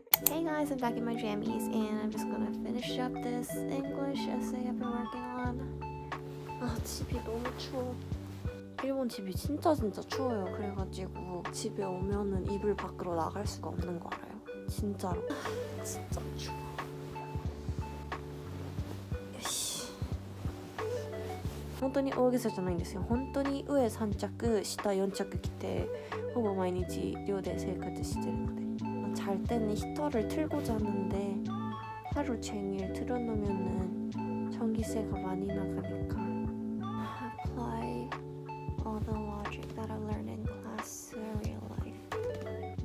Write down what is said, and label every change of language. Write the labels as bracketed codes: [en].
[en] Hey guys, I'm back in my jammies, and I'm just gonna finish up this English essay I've been working on. [ko] 아, 집이 너무 추워. 일본 집이 진짜 진짜 추워요. 그래가지고 집에 오면은 이불 밖으로 나갈 수가 없는 거 알아요? 진짜로. 진짜 추워. [ja] 本当に大げさじゃないんですよ。本当に上3着、下4着着て、ほぼ毎日寮で生活してるので。 [ko] 잘 때는 히터를 틀고 자는데 하루 종일 틀어놓으면 전기세가 많이 나가니까 [en] Apply all the logic that I learned in class to real life.